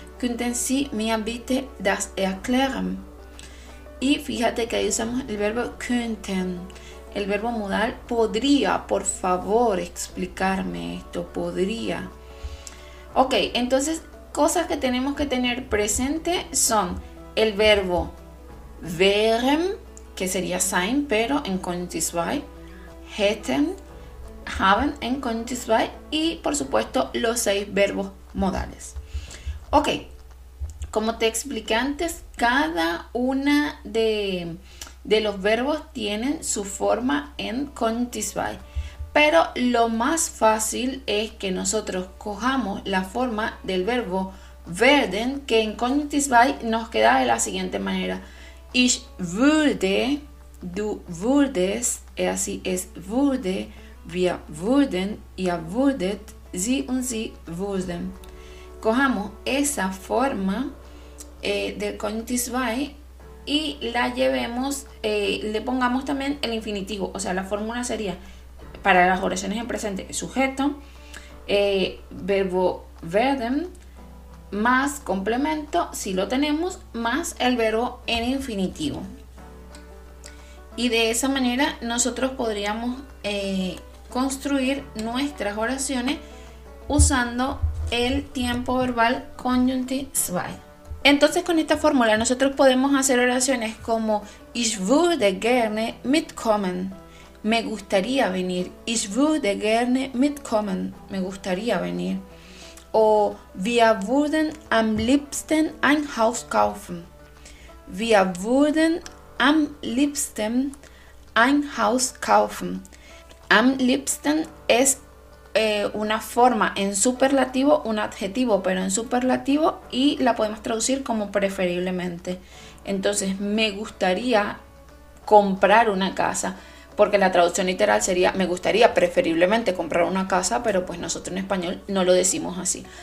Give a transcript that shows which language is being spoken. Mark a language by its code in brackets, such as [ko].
[de] Könnten Sie mir bitte das erklären? [es] Y fíjate que ahí usamos el verbo könnten, el verbo modal podría, por favor, explicarme esto, podría. Ok, entonces, cosas que tenemos que tener presente son el verbo wären, que sería sein, pero en Konjunktivzwei, hätten, haben, en Konjunktivzwei, y por supuesto los 6 verbos modales. Ok, como te expliqué antes, cada una de los verbos tienen su forma en Konjunktivzwei. Pero lo más fácil es que nosotros cojamos la forma del verbo werden, que en Konjunktivzwei nos queda de la siguiente manera. [de] Ich würde, du würdest, er sie es würde, wir würden, ihr würdet, sie und sie würden. [es] Cojamos esa forma del Konjunktivzwei y la llevemos, le pongamos también el infinitivo, o sea, la fórmula sería para las oraciones en presente sujeto, verbo werden, más complemento, si lo tenemos, más el verbo en infinitivo. Y de esa manera nosotros podríamos construir nuestras oraciones usando el tiempo verbal Konjunktivzwei. Entonces, con esta fórmula, nosotros podemos hacer oraciones como [de] Ich würde gerne mitkommen. [es] Me gustaría venir. [de] Ich würde gerne mitkommen. [es] Me gustaría venir. O [de] Wir würden am liebsten ein Haus kaufen. Wir würden am liebsten ein Haus kaufen. [es] Am liebsten es una forma en superlativo, un adjetivo, pero en superlativo, y la podemos traducir como preferiblemente. Entonces, me gustaría comprar una casa, porque la traducción literal sería me gustaría preferiblemente comprar una casa, pero pues nosotros en español no lo decimos así.